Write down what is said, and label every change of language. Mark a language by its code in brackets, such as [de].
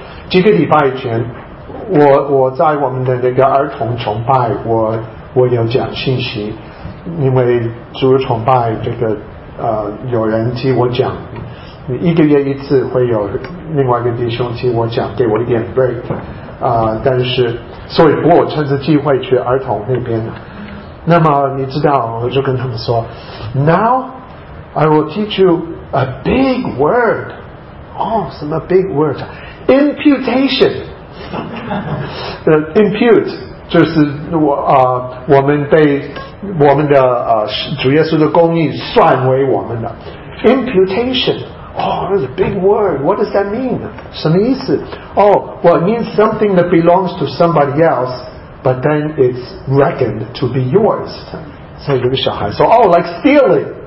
[zh] 几个礼拜前 我在我们的那个儿童崇拜，我有讲信息，因为主日崇拜这个有人替我讲，一个月一次会有另外一个弟兄替我讲，给我一点 break 但是所以我趁着机会去儿童那边。那么你知道，我就跟他们说 [en] Now I will teach you a big word。 [zh] 哦，什么 big word？ Imputation。Impute 就是我们被我们的主耶稣的公义算为我们的 Imputation。 [en] Oh, that's a big word. What does that mean? [zh] 什么意思？ [en] Oh, well, it means something that belongs to somebody else, but then it's reckoned to be yours. [zh] So, 有个小孩说， [en] Oh, like stealing.